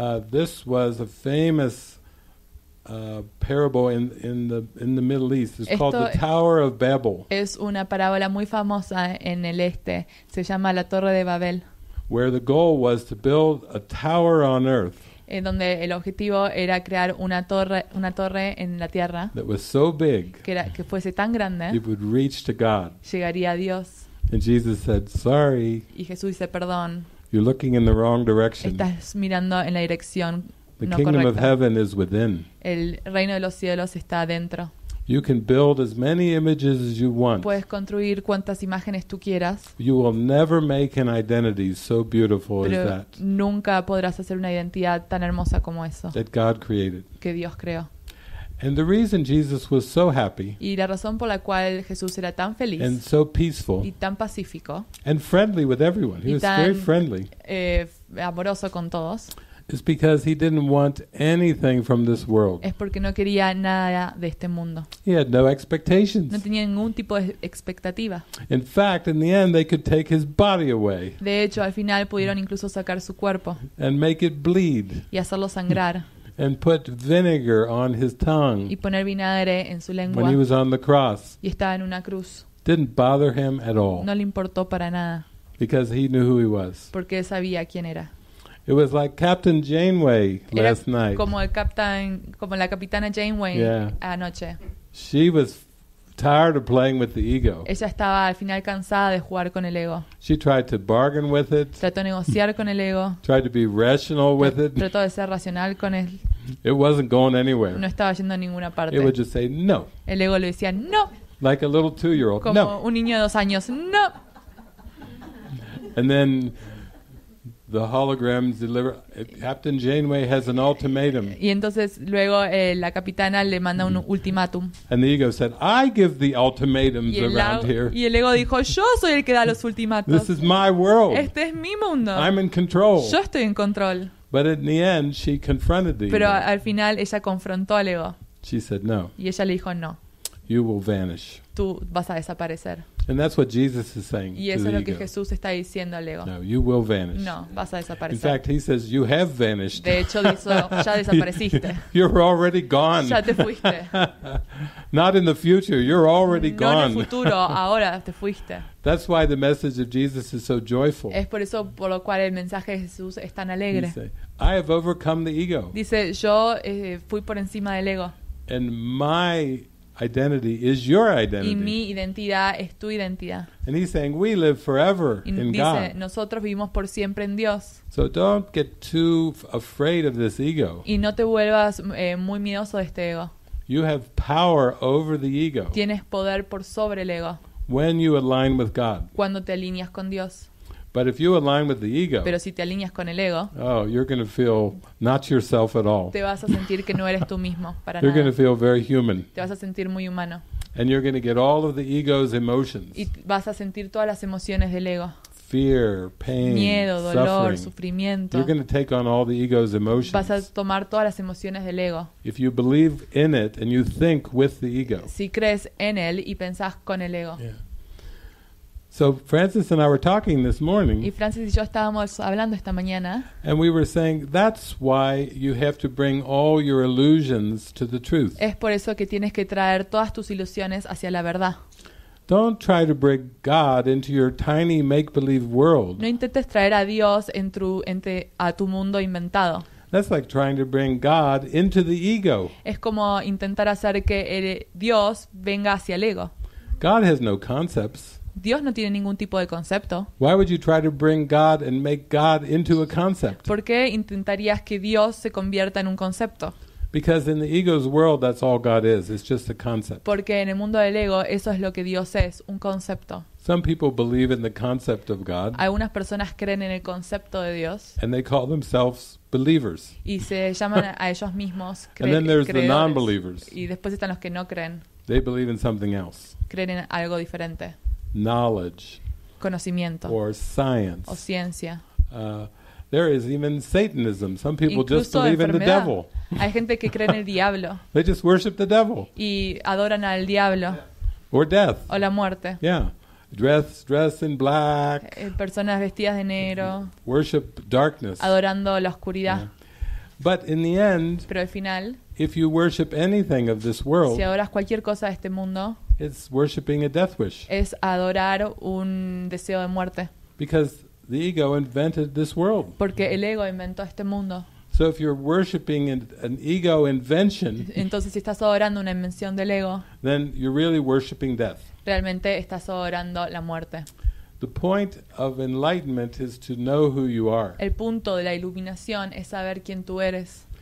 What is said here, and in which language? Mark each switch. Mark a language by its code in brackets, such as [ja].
[en] This was a famous parable in the Middle East. It's called the Tower of Babel. [es] Es una parábola muy famosa en el este. Se llama la Torre de Babel. [en] Where the goal was to build a tower on earth. [es] En donde el objetivo era crear una torre en la tierra. [en] That was so big. [es] Que fuese tan grande. [en] It would reach to God. [es] Llegaría a Dios. [en] And Jesus said, "Sorry." [es] Y Jesús dice, "Perdón." [en] You're looking in the wrong direction. [es] Estás mirando en la dirección no correcta. [en] The kingdom of heaven is within. [es] El reino de los cielos está adentro. [en] You can build as many images as you want. [es] Puedes construir cuantas imágenes tú quieras. [en] You will never make an identity so beautiful as that. [es] Pero nunca podrás hacer una identidad tan hermosa como eso. [en] That God created. [es] Que Dios creó. [en] And the reason Jesus was so happy. [es] Y la razón por la cual Jesús era tan feliz. [en] And so peaceful. [es] Y tan pacífico. [en] And friendly with everyone. He was very friendly. [es] Amoroso con todos. [en] It's because he didn't want anything from this world. [es] Es porque no quería nada de este mundo. [en] He had no expectations. [es] No tenía ningún tipo de expectativa. [en] In fact, in the end, they could take his body away. [es] De hecho, al final pudieron incluso sacar su cuerpo. [en] And make it bleed. [es] Y hacerlo sangrar. [en] And put vinegar on his tongue. [es] Y poner vinagre en su lengua. [en] When he was on the cross. [es] Y estaba en una cruz. [en] Didn't bother him at all. [es] No le importó para nada. [en] Because he knew who he was. [es] Porque sabía quién era. [en] It was like Captain Janeway last night. [es] Era como el capitán, como la capitana Janeway anoche. [en] She was tired of playing with the ego. [es] Ella estaba al final cansada de jugar con el ego. [en] She tried to bargain with it. [es] Trató de negociar con el ego. [en] Tried to be rational with it. [es] Trató de ser racional con él. [en] It wasn't going anywhere. [es] No estaba yendo a ninguna parte. [en] It would just say no. [es] El ego le decía no. [en] Like a little 2-year-old. [es] Como un niño de 2 años. No. [en] And then the holograms deliver. Captain Janeway has an ultimatum. [es] Y entonces luego la capitana le manda un ultimátum. [en] And the ego said, "I give the ultimatums around here." [es] Y el ego dijo, "Yo soy el que da los ultimátums." [en] This is my world. [es] Este es mi mundo. [en] I'm in control. [es] Yo estoy en control. [en] But in the end, she confronted the ego. [es] Pero al final ella confrontó al ego. [en] She said no. [es] Y ella le dijo no. [en] You will vanish. [es] Tú vas a desaparecer. [en] And that's what Jesus is saying. [es] Y eso es lo que Jesús está diciendo al ego. [en] No, you will vanish. [es] No, vas a desaparecer. [en] In fact, he says you have vanished. [es] De hecho, dijo, ya desapareciste. [en] You're already gone. [es] Ya te fuiste. [en] Not in the future, you're already gone. [es] No en el futuro, ahora te fuiste. [en] That's why the message of Jesus is so joyful. [es] Es por eso por lo cual el mensaje de Jesús es tan alegre. [en] I have overcome the ego. [es] Dice, yo fui por encima del ego. [en] And my identity is your identity. [es] Y mi identidad es tu identidad. [en] And he's saying we live forever in God. [es] Dice, nosotros vivimos por siempre en Dios. [en] So don't get too afraid of this ego. [es] Y no te vuelvas muy miedoso de este ego. [en] You have power over the ego. [es] Tienes poder por sobre el ego. [en] When you align with God. [es] Cuando te alineas con Dios. [en] But if you align with the ego, [es] pero si te alineas con el ego, [en] oh, you're going to feel not yourself at all. [es] Te vas a sentir que no eres tú mismo para nada. [en] You're going to feel very human. [es] Te vas a sentir muy humano. [en] And you're going to get all of the ego's emotions. [es] Y vas a sentir todas las emociones del ego. [en] Fear, pain, [es] miedo, dolor, [en] suffering. [es] Sufrimiento. [en] You're going to take on all the ego's emotions. [es] Vas a tomar todas las emociones del ego. [en] If you believe in it and you think with the ego. [es] Si crees en él y pensás con el ego. Yeah. [en] So Francis and I were talking this morning. [es] Y Francis y yo estábamos hablando esta mañana. [en] And we were saying that's why you have to bring all your illusions to the truth. [es] Es por eso que tienes que traer todas tus ilusiones hacia la verdad. [en] Don't try to bring God into your tiny make-believe world. [es] No intentes traer a Dios a tu mundo inventado. [en] That's like trying to bring God into the ego. [es] Es como intentar hacer que Dios venga hacia el ego. [en] God has no concepts. [es] Dios no tiene ningún tipo de concepto. [en] Why would you try to bring God and make God into a concept? [es] ¿Por qué intentarías que Dios se convierta en un concepto? [en] Because in the ego's world, that's all God is. It's just a concept. [es] Porque en el mundo del ego, eso es lo que Dios es, un concepto. [en] Some people believe in the concept of God. [es] Algunas personas creen en el concepto de Dios. [en] And they call themselves believers. [es] Y se llaman a ellos mismos creyentes. [en] And then there's [es] creedores. [en] The non-believers. [es] Y después están los que no creen. [en] They believe in something else. [es] Creen en algo diferente. [en] Knowledge. [es] Conocimiento. [en] Or science. [es] O ciencia. [en] There is even Satanism. Some people [es] incluso [en] just believe in the devil. [es] Hay gente que cree en el diablo. [en] They just worship the devil. [es] Y adoran al diablo. [en] Or death. [es] O la muerte. [en] Yeah. Dress in black. [es] Personas vestidas de negro. [en] Worship darkness. [es] Adorando la oscuridad. [en] But in the end, [es] pero al final, [en] if you worship anything of this world, [es] si adoras cualquier cosa de este mundo, [en] it's worshiping a death wish. [es] Es adorar un deseo de muerte. [en] Because the ego invented this world. [es] Porque el ego inventó este mundo. [en] So if you're worshiping an ego invention, [es] entonces si estás adorando una invención del ego, [en] then you're really worshiping death. [es] Realmente estás adorando la muerte. [en] The point of enlightenment is to know who you are. [es] El punto de la iluminación es saber quién tú eres.